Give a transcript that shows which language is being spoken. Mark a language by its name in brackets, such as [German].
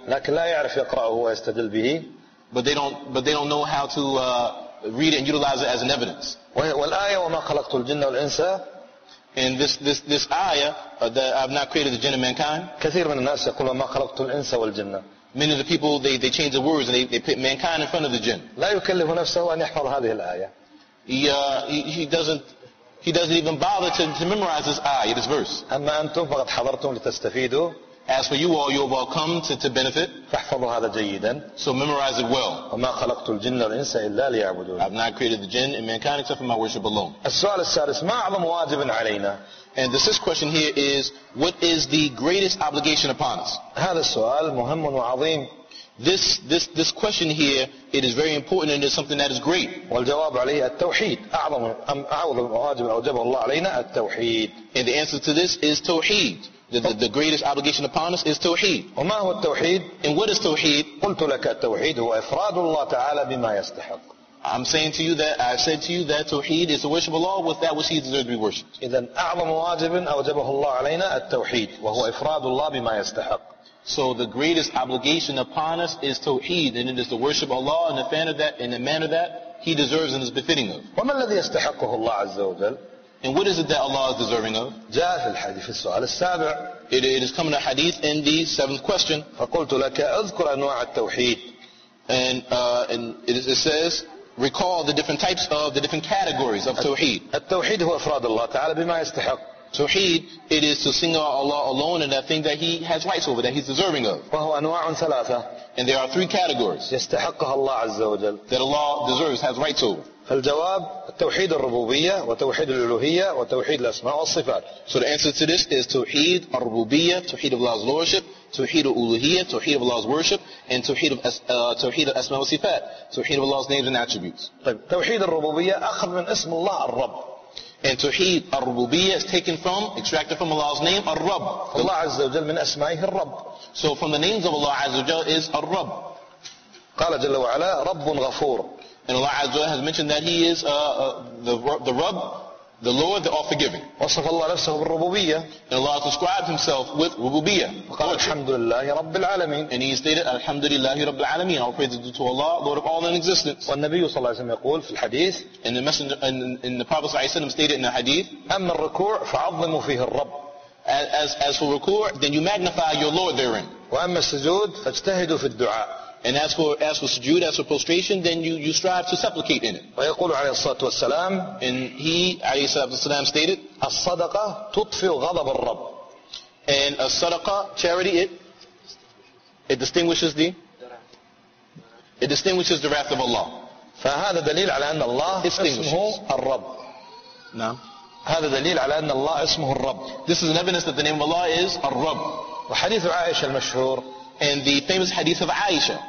[Arabic] لكن لا يعرف يقرأه ويستدل به. [English] But they don't know how to read it and utilize it as an evidence. [Arabic] والآية وما خلقت الجن والإنس. [English] In this ayah that I've not created the jinn and mankind. [Arabic] كثير من الناس يقول ما خلقت الإنس والجن. [English] Many of the people they change the words and they put mankind in front of the jinn. [Arabic] لا يكلف نفسه أن يحفظ هذه الآية. [English] He doesn't even bother to memorize this ayah, this verse. [Arabic] أما أنتم فقد حضرتم لتستفيدوا. [English] As for you all come to benefit. [Arabic] فاحفظوا هذا جيدا. [English] So memorize it well. [Arabic] وما خلقت الجن والإنس إلا ليعبدون. [English] I've not created the jinn and mankind except for my worship alone. [Arabic] السؤال السادس ما أعظم واجب علينا. [English] And the sixth question here is, what is the greatest obligation upon us? [Arabic] هذا السؤال مهم وعظيم. [English] This question here, it is very important and it is something that is great. [Arabic] والجواب عليه التوحيد. أعظم واجب أوجبه الله علينا التوحيد. [English] And the answer to this is توحيد. The greatest obligation upon us is tawheed. [Arabic] وما هو التوحيد؟ [English] And what is tawheed? [Arabic] قلت لك التوحيد هو إفراد الله تعالى بما يستحق. [English] I said to you that tawheed is to worship Allah with that which He deserves to be worshipped. [Arabic] إذن أعظم واجب أوجبه الله علينا التوحيد وهو إفراد الله بما يستحق. [English] So the greatest obligation upon us is tawheed, and it is to worship Allah in the manner that He deserves and is befitting of. [Arabic] وما الذي يستحقه الله عز وجل؟ [English] And what is it that Allah is deserving of? [Arabic] جاء في الحديث السؤال السابع. [English] It is coming a hadith in the seventh question. [Arabic] فقلت لك أذكر أنواع التوحيد. [English] And it says, recall the different types of the different categories of tawheed. [Arabic] التوحيد هو إفراد الله تعالى بما يستحق. [English] Tawheed, it is to single out Allah alone and that thing that He has rights over, that He's deserving of. [Arabic] وهو أنواع ثلاثة. [English] And there are three categories. [Arabic] يستحقها الله عز وجل. [English] That Allah deserves, has rights over. [Arabic] فالجواب التوحيد الربوبية وتوحيد الألوهية وتوحيد الأسماء والصفات. [English] So the answer to this is [Arabic] توحيد الربوبية, [English] توحيد of Allah's lordship, [Arabic] توحيد الألوهية, [English] توحيد of Allah's worship, and [Arabic] توحيد الأسماء والصفات, [English] توحيد of Allah's names and attributes. [Arabic] طيب توحيد الربوبية أخذ من اسم الله الرب. [English] And [Arabic] توحيد الربوبية [English] is taken from, extracted from Allah's name, الرب. [Arabic] الله عز وجل من أسمائه الرب. [English] So from the names of Allah [Arabic] عز وجل [English] is الرب. [Arabic] قال جل وعلا رب غفور. [English] And Allah Azza wa Jalla has mentioned that He is the Rabb, the Lord, the All-Forgiving. [Arabic] وصف الله نفسه بالربوبية. [English] And Allah has described Himself with ربوبية. [Arabic] وقال الحمد لله رب العالمين. [English] And He stated [Arabic] الحمد لله رب العالمين. [English] All praise due to Allah, Lord of all in existence. [Arabic] والنبي صلى الله عليه وسلم يقول في الحديث. [English] And the Messenger and the Prophet [Arabic] صلى الله عليه وسلم [English] stated in the Hadith. [Arabic] أما الركوع فعظموا فيه الرب. [English] As for ركوع, then you magnify your Lord therein. [Arabic] وأما السجود فاجتهدوا في الدعاء. [English] And as for sujood, as for prostration, then you strive to supplicate in it. [Arabic] ويقول عليه الصلاة والسلام. [English] And he, [Arabic] عليه الصلاة والسلام, [English] stated. [Arabic] الصدقة تطفئ غضب الرب. [English] And a sadaqah, charity, it distinguishes the. It distinguishes the wrath of Allah. [Arabic] فهذا دليل على أن الله اسمه الرب. نعم. هذا دليل على أن الله اسمه الرب. [English] This is an evidence that the name of Allah is الرب. [Arabic] وحديث عائشة المشهور. [English] And the famous hadith of Aisha.